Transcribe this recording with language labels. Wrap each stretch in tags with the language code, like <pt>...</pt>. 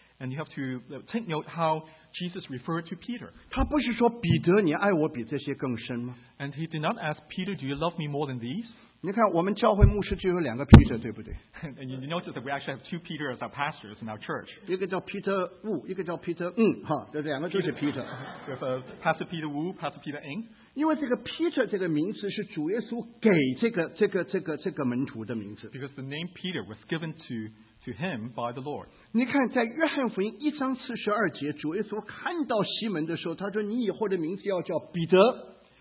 <en>And you have to take note how Jesus referred to Peter.</en> <zh>他不是说彼得你爱我比这些更深吗？</zh> <en>And he did not ask Peter, do you love me more than these?</en> <zh>你看我们教会牧师就有两个Peter，对不对？</zh> <en>And you notice that we actually have two Peter as our pastors in our church.</en> <zh>一个叫Peter Wu，一个叫Peter Ng，这两个就是Peter。</zh> <en>We have a Pastor Peter Wu, Pastor Peter Ng.</en> <zh>因为这个Peter这个名字是主耶稣给这个门徒的名字。</zh> <en>Because the name Peter was given to him by the Lord.</en> <zh>你看在约翰福音一章42节，主耶稣看到西门的时候，他说：“你以后的名字要叫彼得。”</zh>